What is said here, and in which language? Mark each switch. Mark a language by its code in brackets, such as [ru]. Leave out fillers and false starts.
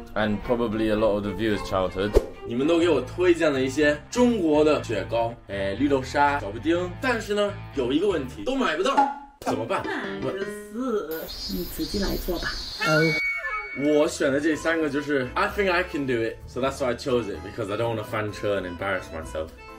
[en] And probably a lot of the viewers' childhood. [zh] 你们都给我推荐了一些中国的雪糕，哎，绿豆沙、小布丁。但是呢，有一个问题，都买不到，怎么办？ Max，你自己来做吧。我选的这三个就是 [en] I think I can do it, so that's why I chose it because I don't want to 翻车 and embarrass myself.